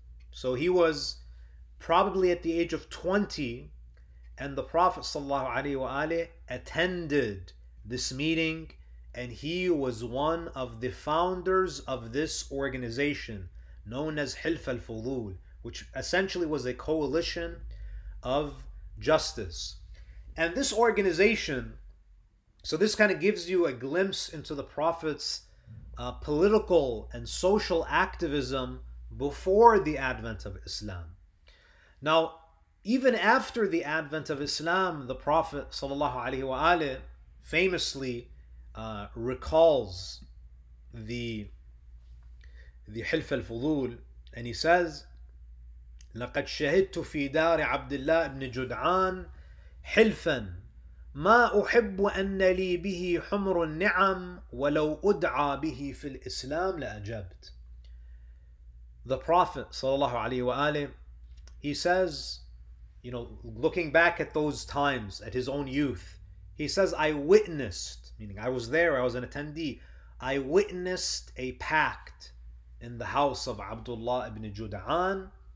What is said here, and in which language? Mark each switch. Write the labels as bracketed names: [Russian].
[English] So he was probably at the age of 20, and the Prophet sallallahu alaihi wa alihi attended this meeting, and he was one of the founders of this organization known as Hilf al-Fudul, which essentially was a coalition of justice. And this organization, so this kind of gives you a glimpse into the Prophet's political and social activism before the advent of Islam. Now, even after the advent of Islam, the Prophet sallallahu alaihi wa alihi famously recalls the Hilf al-Fudul, and he says, [Arabic] لَقَدْ شَهِدْتُ فِي دَارِ عَبْدِ اللَّهِ بْنِ جُدْعَانِ حِلْفًا مَا أُحِبُّ أَنَّ لِي بِهِ حُمْرُ النِّعَمْ وَلَوْ أُدْعَى بِهِ فِي الْإِسْلَامِ لَأَجَبْتُ. [English] The Prophet sallallahu alayhi wa alayhi, he says, you know, looking back at those times, at his own youth, He says, I witnessed, meaning I was there, I was an attendee, I witnessed a pact in the house of Abdullah ibn Jud'an.